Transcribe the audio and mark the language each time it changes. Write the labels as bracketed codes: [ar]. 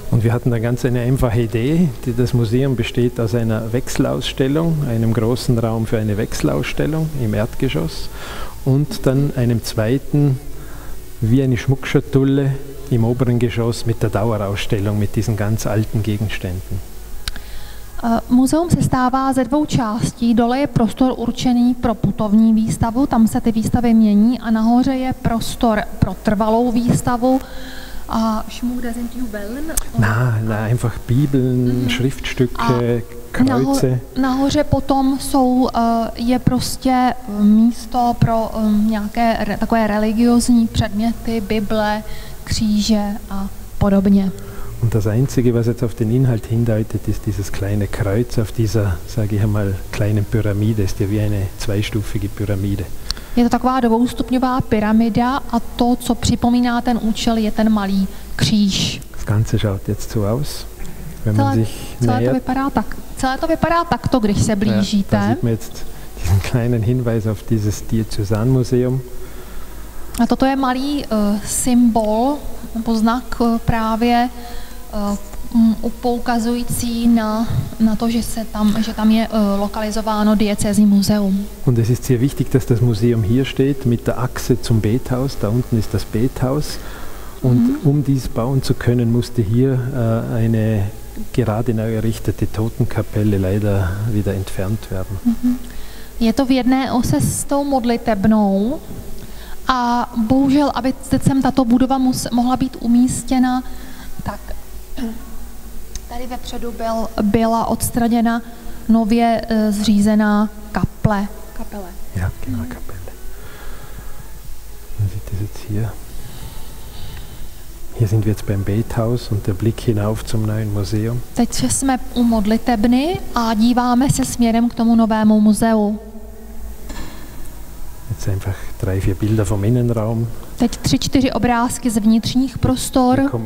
[de] Und wir hatten da ganz eine einfache Idee, die das Museum besteht aus einer Wechselausstellung, einem großen Raum für eine Wechselausstellung im Erdgeschoss und dann einem zweiten wie eine Schmuckschatulle im oberen Geschoss mit der Dauerausstellung mit diesen ganz alten Gegenständen. [cs] Muzeum se stává ze dvou částí. Dole je prostor určený pro putovní výstavu, tam se ty výstavy mění a nahoře je prostor pro trvalou výstavu. A [de] Schmuck der sind Juwelen. Na, einfach Bibeln, Schriftstücke, Kreuze. [cs] Nahoře potom je prostě místo pro nějaké takové religiozní předměty, Bible, kříže a podobně. [de] Und das Einzige, was jetzt auf den Inhalt hindeutet, ist dieses kleine Kreuz auf dieser, sage ich einmal, kleinen Pyramide. Ist ja wie eine zweistufige Pyramide. [cs] Je to taková dvoustupňová pyramida a to, co připomíná ten účel, je ten malý kříž. [de] Das Ganze schaut jetzt so aus, wenn [cs] celé, [de] man sich nähert. [cs] Celé to vypadá takto, když se blížíte. [de] Da sieht man jetzt diesen kleinen Hinweis auf dieses Diözesan Museum. [cs] A toto je malý symbol, nebo znak právě poukazující na to, že tam je lokalizováno diecézní muzeum. [de] Und es ist sehr wichtig, dass das Museum hier steht mit der Achse zum Bethaus, da unten ist das Bethaus und um dies bauen zu können, musste hier eine gerade neu errichtete Totenkapelle leider wieder entfernt werden. [cs] Je to v jedné ose s tou modlitebnou. A bohužel, aby teď sem tato budova mohla být umístěna, tak tady vepředu byla odstraněna nově zřízená kaple. Kapele. Jaký má kapele? Vidíte, že hier. [de] Hier sind wir jetzt beim Bethaus und der Blick hinauf zum neuen Museum. [cs] Teď jsme u modlitebny a díváme se směrem k tomu novému muzeu. [de] Jetzt einfach drei, vier Bilder vom Innenraum. [cs] Teď 3-4 obrázky z vnitřních prostor.